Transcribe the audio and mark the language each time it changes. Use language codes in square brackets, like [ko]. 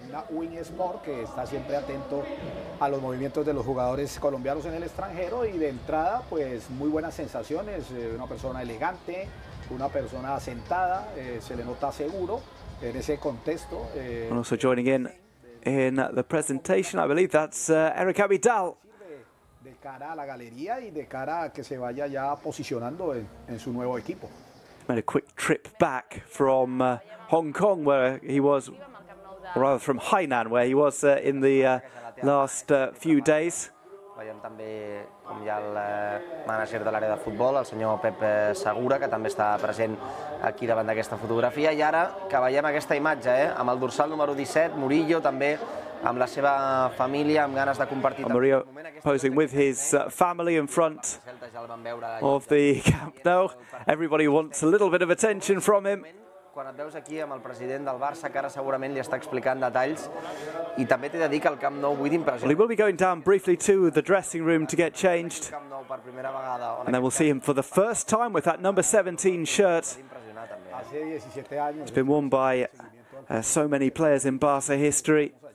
[es] Win Sport, que está siempre atento a los movimientos de los jugadores colombianos en el extranjero y de entrada, pues muy buenas sensaciones. Una persona elegante, una persona sentada, se le nota seguro en ese contexto. [en] And also joining in. In the presentation, I believe that's Eric Abidal. [es] De cara a la galería y de cara a que se vaya ya posicionando en su nuevo equipo. [en] Made a quick trip back from Hong Kong, where he was, or rather from Hainan, where he was in the last few days. [ca] Veiem també com hi ha el manager de l'àrea de futbol, el senyor Pep Segura, que també està present aquí davant d'aquesta fotografia. I ara que veiem aquesta imatge, amb el dorsal número 17, Murillo, també amb la seva família, amb ganes de compartir... [en] Murillo posing with his family in front of the Camp Nou. Everybody wants a little bit of attention from him. [ca] Quan et veus aquí amb el president del Barça, que ara segurament li està explicant detalls, i també t'he de dir que el Camp Nou buit impressionant. [en] Well, he will be going down briefly to the dressing room to get changed. And then we'll see him for the first time with that number 17 shirt. It's been worn by so many players in Barça history.